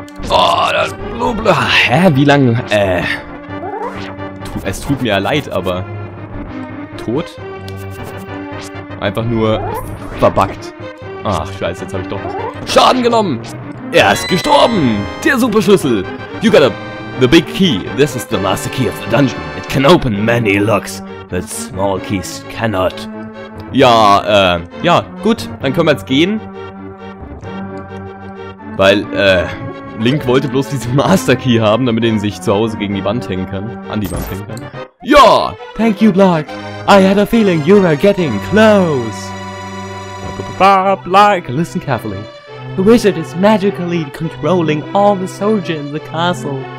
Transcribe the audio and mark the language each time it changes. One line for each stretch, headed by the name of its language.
German: Oh, das Blubla. Hä, wie lange? Es tut mir ja leid, aber. Tot? Einfach nur verbuggt. Ach, scheiße, jetzt habe ich doch Schaden genommen! Er ist gestorben! Der Superschlüssel!
English: You got the big key. This is the master key of the dungeon. It can open many locks, but small keys cannot.
German: Ja, ja, gut, dann können wir jetzt gehen. Weil, Link wollte bloß diesen Master Key haben, damit er ihn sich zu Hause gegen die Wand hängen kann. An die Wand hängen kann. Ja!
English: Thank you, Black. I had a feeling you were getting close. Black, listen carefully. The wizard is magically controlling all the soldiers in the castle.